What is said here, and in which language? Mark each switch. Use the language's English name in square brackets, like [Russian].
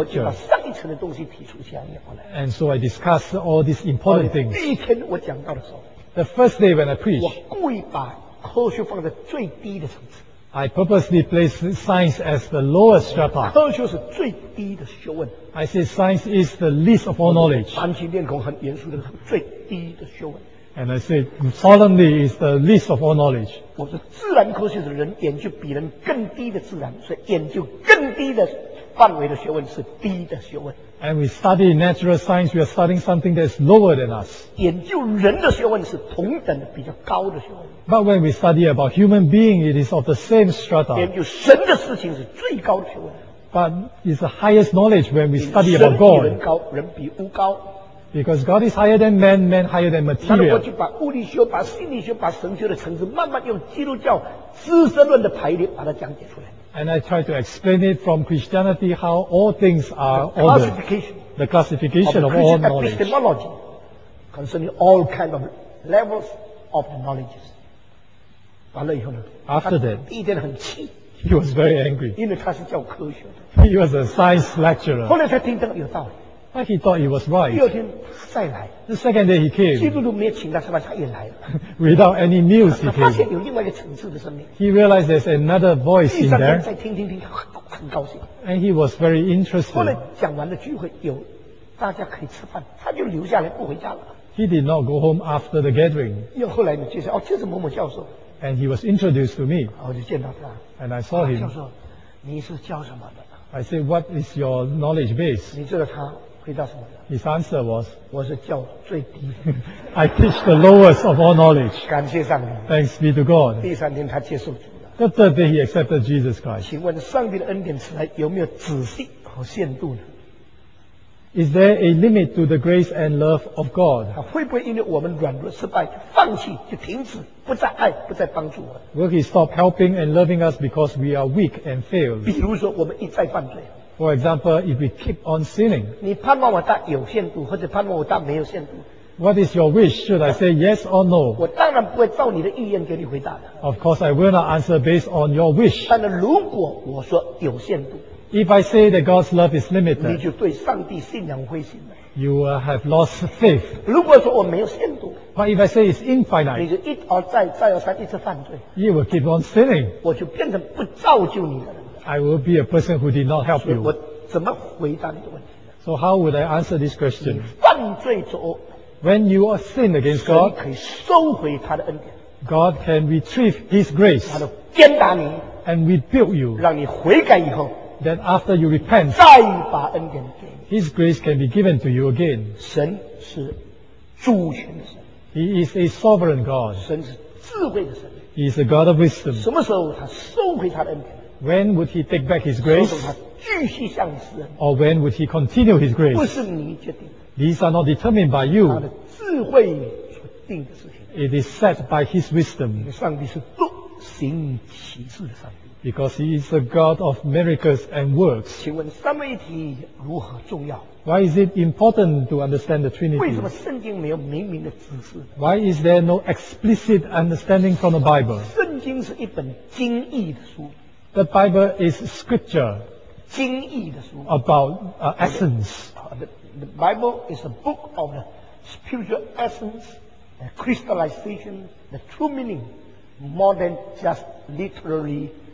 [Chinese] 我就把上一层的东西提出讲了。 [English] And so I discuss all these important things. [Chinese] 第一天我讲到的时候， [English] The first day when I preach, [Chinese] 我故意把科学放在最低的层次。 [English] I purposely place science as the lowest strata. [Chinese] 科学是最低的学问。 [English] I say science is the least of all knowledge. [Chinese] 含情练功很严肃的最低的学问。 [English] And I say solemnly is the least of all knowledge. [Chinese] 我说自然科学是人研究比人更低的自然，所以研究更低的范围的学问是低的学问。 [English] And we study natural science, we are studying something that is lower than us. [Chinese] 研究人的学问是同等的比较高的学问。 [English] But when we study about human being, it is of the same strata. [Chinese] 研究神的事情是最高的学问。 [English] But it's the highest knowledge when we study about God. [Chinese] 人比人高，人比物高。 [English] Because God is higher than man, man higher than material. [Chinese] 那我就把物理学、把心理学、把神学的层次，慢慢用基督教知识论的排列把它讲解出来。 [English] And I try to explain it from Christianity how all things are ordered. The classification of all knowledge. Epistemology concerning all kind of levels of knowledges. [Chinese] 完了以后呢？ [English] After that, [Chinese] 第一天很气。 [English] He was very angry. [Chinese] 因为他是教科学的。 [English] He was a science lecturer. [Chinese] 后来才听到有道理。 [English] But he thought he was right. [Chinese] 第二天再来。 [English] The second day he came. [Chinese] 基督徒没有请他吃饭，他也来了。 [English] Without any meals he came. [Chinese] 他发现有另外一个层次的生命。 [English] He realized there's another voice in there. [Chinese] 第三天再听，很高兴。 [English] And he was very interested. [Chinese] 后来讲完了聚会，有大家可以吃饭，他就留下来不回家了。 [English] He did not go home after the gathering. [Chinese] 又后来呢，就是哦，就是某某教授。 [English] And he was introduced to me. [Chinese] 我就见到他。 [English] And I saw him. [Chinese] 教授，你是教什么的？ [English] I said, what is your knowledge base? [Chinese] 你知道他。回答什么的？ [English] His answer was, [Chinese] 我是教最低的。 [English] I teach the lowest of all knowledge. [Chinese] 感谢上帝。 [English] Thanks be to God. [Chinese] 第三天他接受主了。 [English] The third day he accepted Jesus Christ. [Chinese] 请问上帝的恩典慈爱有没有止息和限度呢？ [English] Is there a limit to the grace and love of God? [Chinese] 他会不会因为我们软弱失败就放弃就停止不再爱不再帮助我们？ [English] Will he stop helping and loving us because we are weak and failed? [Chinese] 比如说我们一再犯罪。 [English] For example, if we keep on sinning, [Chinese] 你盼望我大有限度，或者盼望我大没有限度。 [English] What is your wish? Should I say yes or no? [Chinese] 我当然不会照你的意愿给你回答的。 [English] Of course, I will not answer based on your wish. [Chinese] 但是如果我说有限度， [English] If I say that God's love is limited, [Chinese] 你就对上帝信仰灰心了。 [English] You will have lost faith. [Chinese] 如果说我没有限度， [English] But if I say it's infinite, [Chinese] 你就一而再，再而三，一直犯罪。 [English] You will keep on sinning. [Chinese] 我就变成不造就你的人。 [English] I will be a person who did not help you. [Chinese] 我怎么回答你的问题呢？ [English] So how would I answer this question? [Chinese] 你犯罪之后， [English] When you are sinned against God, [Chinese] 神可以收回他的恩典。 [English] God can retrieve His grace. [Chinese] 他就鞭打你， [English] and rebuild you. [Chinese] 让你悔改以后， [English] Then after you repent, [Chinese] 再把恩典给你。 [English] His grace can be given to you again. [Chinese] 神是主权的神。 [English] He is a sovereign God. [Chinese] 神是智慧的神。 [English] He is a God of wisdom. [Chinese] 什么时候他收回他的恩典？ [English] When would he take back his grace? [Chinese] 他继续向你施恩。 [English] Or when would he continue his grace? [Chinese] 不是你决定。 [English] These are not determined by you. [Chinese] 他的智慧所定的事情。 [English] It is set by his wisdom. [Chinese] 上帝是独行其事的上帝。 [English] Because he is a God of miracles and works. [Chinese] 请问三位一体如何重要？ [English] Why is it important to understand the Trinity? [Chinese] 为什么圣经没有明明的指示？ [English] Why is there no explicit understanding from the Bible? [Chinese] 圣经是一本经义的书。 [English] The Bible is scripture. [Chinese] 经义的书。 [English] About essence. The Bible is a book of the spiritual essence, the crystallization, the true meaning, more than just literary.